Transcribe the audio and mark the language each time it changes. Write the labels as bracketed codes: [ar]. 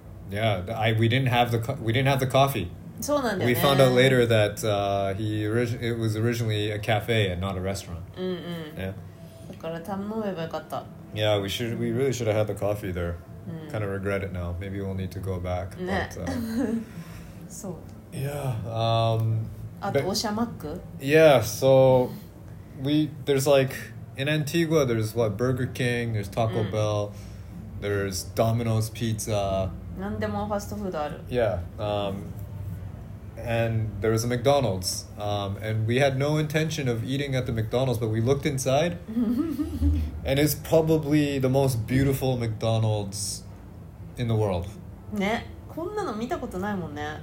[en] Yeah, we didn't have the coffee. [ja] そうなんだよね。 [en] We found out later that it was originally a cafe and not a restaurant. [ja] だから頼めばよかった。 [en] Yeah, we really should have had the coffee there. Kind of regret it now. Maybe we'll need to go back. [ja] ね。But, そう。 [en] Yeah. [ja] あとオシャマック。 [en] Yeah, so there's like in Antigua, there's what Burger King, there's Taco Bell, there's Domino's Pizza. [ja] 何でもファストフードある。 [en] Yeah, and there was a McDonald's, and we had no intention of eating at the McDonald's, but we looked inside, and it's probably the most beautiful McDonald's in the world. [ja] ね、こんなの見たことないもんね。